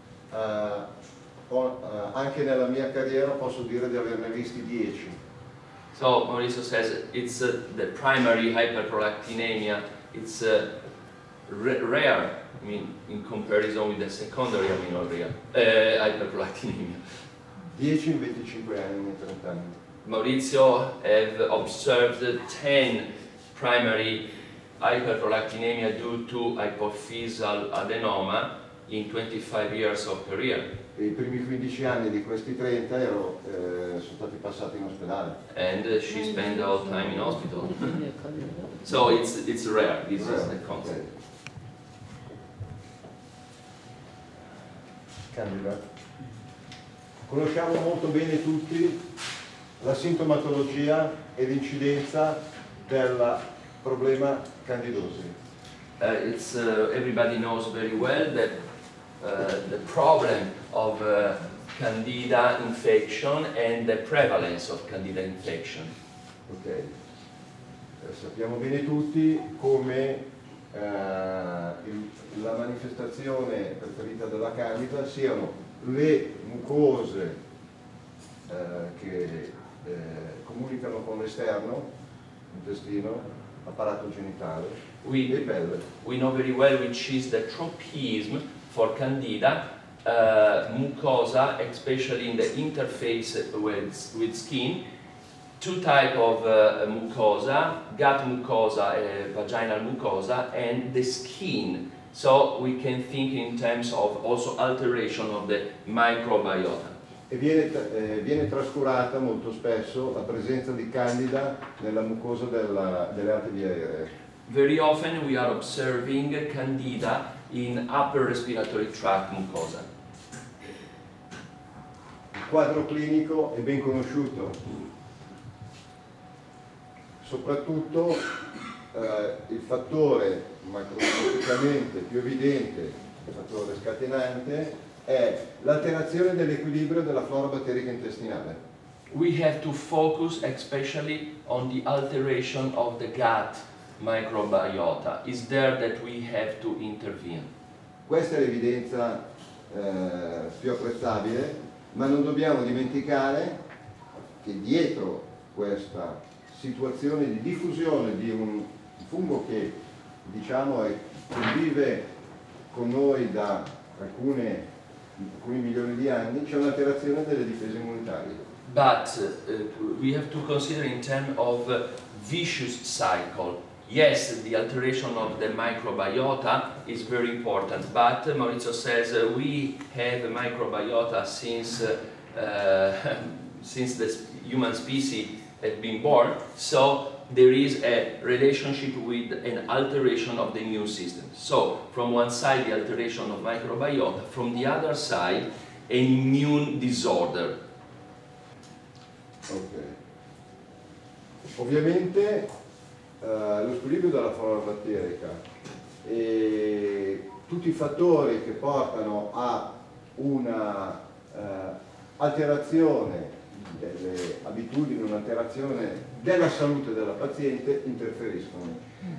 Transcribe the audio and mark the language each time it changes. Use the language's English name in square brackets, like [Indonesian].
[Italian] Anche nella mia carriera posso dire di averne visti 10. [English] So Maurizio says it's the primary hyperprolactinemia. It's rare, I mean, in comparison with the secondary amenorrhea, hyperprolactinemia. [Italian] 10 in 25 anni, in 30 anni. [English] Maurizio have observed 10 primary hyperprolactinemia due to hypophysal adenoma in 25 years of career. [Italian] I primi 15 anni di questi 30 sono stati passati in ospedale. [English] And she spent all time in hospital. So it's rare, this is the concept. Okay. [Italian] Candida. Conosciamo molto bene tutti la sintomatologia e l'incidenza del problema candidosi. [English] Everybody knows very well that the problem of candida infection and the prevalence of candida infection. Ok. [Italian] Sappiamo bene tutti come la manifestazione preferita della candida siano le mucose che comunicano con l'esterno, intestino, apparato genitale, e pelle. [English] We know very well which is the tropism for candida, mucosa, especially in the interface with skin. Two type of mucosa, gut mucosa, vaginal mucosa, and the skin. So we can think in terms of also alteration of the microbiota. [Italian] E viene trascurata molto spesso la presenza di candida nella mucosa delle altre vie aeree. [English] Very often we are observing candida in upper respiratory tract mucosa. [Italian] Il quadro clinico è ben conosciuto. Soprattutto il fattore macroscopicamente più evidente, il fattore scatenante, è l'alterazione dell'equilibrio della flora batterica intestinale. [English] We have to focus especially on the alteration of the gut microbiota? Is there that we have to intervene? [Italian] Questa è l'evidenza più apprezzabile, ma non dobbiamo dimenticare che dietro questa situazione di diffusione di un fungo che diciamo convive con noi da alcuni milioni di anni, c'è un'alterazione delle difese immunitarie. [English] But we have to consider in terms of vicious cycle. Yes, the alteration of the microbiota is very important, but Maurizio says we have a microbiota since the human species had been born, so there is a relationship with an alteration of the immune system. So from one side the alteration of microbiota, from the other side an immune disorder. Okay. [Italian] Ovviamente lo squilibrio della flora batterica e tutti i fattori che portano a una alterazione delle abitudini, un'alterazione della salute della paziente interferiscono.